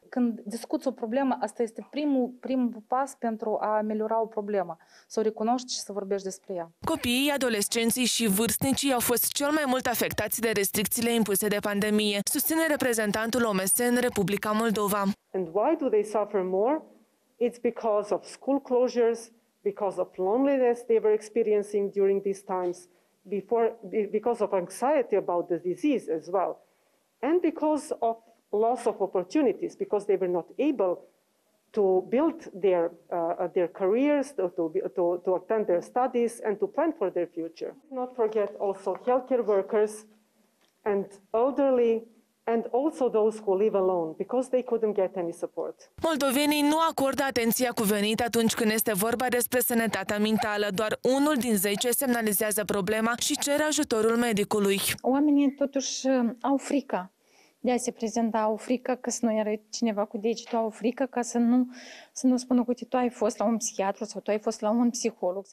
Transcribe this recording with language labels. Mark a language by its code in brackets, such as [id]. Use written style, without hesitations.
[ro] Când discuți o problemă, asta este primul pas pentru a ameliora o problemă, să o recunoști și să vorbești despre ea. Copiii, adolescenții și vârstnicii au fost cel mai mult afectați de restricțiile impuse de pandemie, susține reprezentantul OMS în Republica Moldova. [en] And why do they suffer more? It's because of school closures, because of loneliness they were experiencing during these times, because of anxiety about the disease as well, and because of loss of opportunities, because they were not able to build their careers, to attend their studies, and to plan for their future. Not forget also healthcare workers and elderly, and also those who live alone, because they couldn't get any support. [ro] Moldovenii nu acordă atenția cuvenită atunci când este vorba despre sănătatea mentală. Doar unul din 10 semnalizează problema și cere ajutorul medicului. Oamenii totuși au frică de a se prezenta, au frică că să nu iară cineva cu degetul, au frică ca să nu spună că tu ai fost la un psihiatru sau tu ai fost la un psiholog.